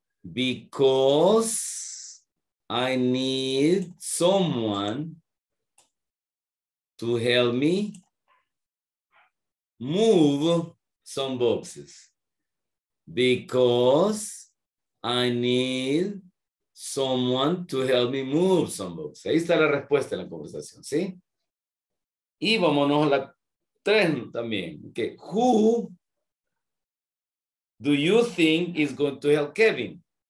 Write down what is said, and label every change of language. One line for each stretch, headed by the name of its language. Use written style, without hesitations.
English: Because I need someone to help me move some boxes. Because I need someone to help me move some boxes.
Spanish: Ahí está la respuesta en la conversación, ¿sí? Y vámonos a la tres también. Okay.
English: Who do you think is going to help Kevin?